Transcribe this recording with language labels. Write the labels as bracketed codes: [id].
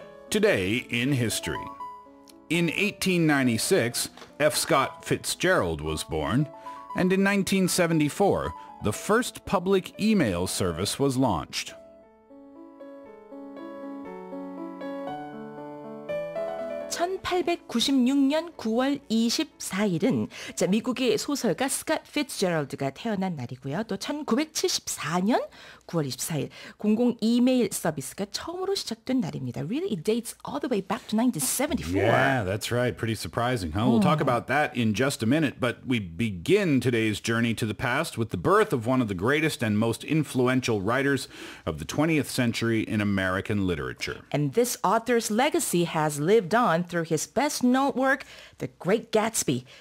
[en] Today in history. In 1896, F. Scott Fitzgerald was born, and in 1974, the first public email service was launched. [ko] 1896년 9월 24일은 미국의 소설가 스캇 피츠제럴드가 태어난 날이고요. 또 1974년 9월 24일 공공 이메일 서비스가 처음으로 시작된 날입니다. [en] Really, it dates all the way back to 1974. Yeah, that's right. Pretty surprising, huh? We'll talk about that in just a minute, but we begin today's journey to the past with the birth of one of the greatest and most influential writers of the 20th century in American literature. And this author's legacy has lived on through his best-known work, The Great Gatsby.